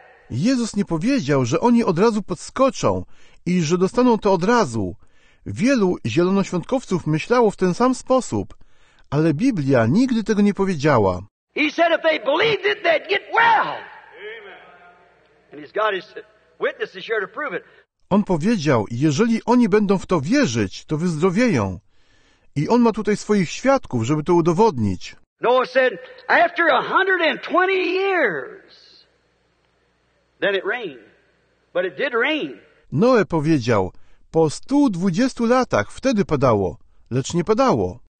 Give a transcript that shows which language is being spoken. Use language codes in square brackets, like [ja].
[pl] Jezus nie powiedział, że oni od razu podskoczą i że dostaną to od razu. Wielu zielonoświątkowców myślało w ten sam sposób, ale Biblia nigdy tego nie powiedziała. [en] He said if they believed it, they'd get well. Amen. And he's got his witnesses here to prove it. [pl] On powiedział, jeżeli oni będą w to wierzyć, to wyzdrowieją. I on ma tutaj swoich świadków, żeby to udowodnić. [en] Noah said, after 120 years, then it rained. But it did rain. [pl] Noe powiedział, po 120 latach wtedy padało, lecz nie padało.